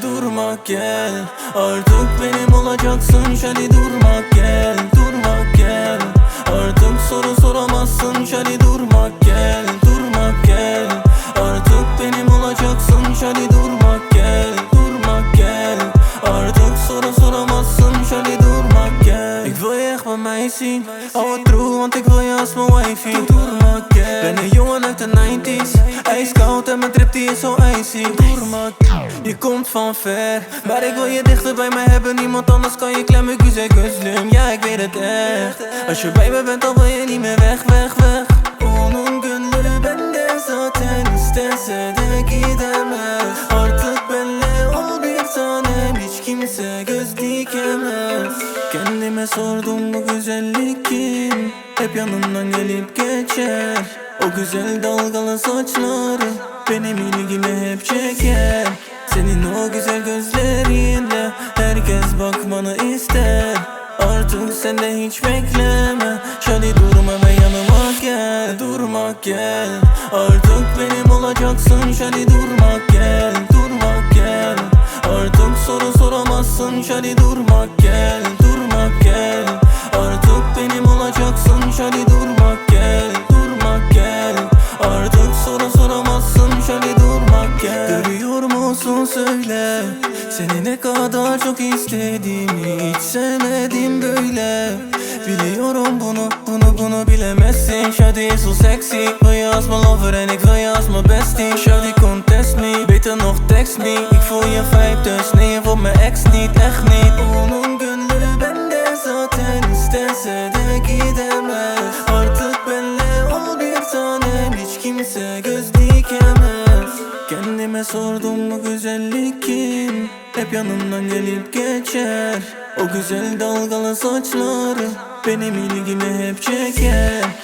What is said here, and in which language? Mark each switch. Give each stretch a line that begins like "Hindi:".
Turkish: Durma gel, artık benim olacaksın. Şöyle durma gel, durma gel. Artık soru soramazsın. Şöyle durma gel, durma gel. Artık benim olacaksın. Şöyle durma gel, durma gel. Artık soru soramazsın. Şöyle durma gel.
Dutch: Ik wil je echt bij mij zien. Hou het true, want ik wil je als mijn wifey.
Turkish: Durma gel.
Dutch: Ben een jongen uit de 90's. Ijskoud en mijn trip die is zo icy.
Turkish: Durma gel.
Dutch: Je komt van ver, maar ik wil je dichter bij mij hebben. Niemand anders kan je klemmen. Ik zeg slim, ja ik weet het echt. Als je bij me bent dan wil je niet meer weg, weg, weg.
Turkish: Onungunlu ben de zaten. İstense de gidemez. Artık belli olduk sanem. Hiç kimse göz dikemez. Kendime sordum bu güzellik kim? Hep yanımdan gelip geçer. O güzel dalgalı saçları benim ilgimi hep çeker. Senin o güzel gözlerinle herkes bakmanı ister. Artık sen de hiç bekleme, şöyle durma ve yanıma gel. Durma gel, artık benim olacaksın. Şöyle durma gel, durma gel. Artık soru soramazsın. Şöyle durma gel, durma gel. Artık benim olacaksın. Şöyle durma gel, durma gel. Artık soru soramazsın. Şöyle durma gel. Görüyor musun söyle, seni ne kadar çok istediğimi. Hiç sevmedim böyle. Biliyorum bunu, bunu, bunu bilemezsin.
English: Shawty is so sexy.
Dutch: Wil je als mijn lover en ik wil je als mijn bestie.
English: Shawty contest me,
Dutch: beter nog text me. Ik voel je vibe dus nee, je wordt mijn ex niet, echt niet.
Turkish: Onungunlu ben de zaten. İstense de gidemez. Artık belli ol bir tanem. Hiç kimse göz dikemez. Kendime sordum bu güzellik kim? Hep yanımdan gelip geçer. O güzel dalgalı saçları benim ilgimi hep çeker.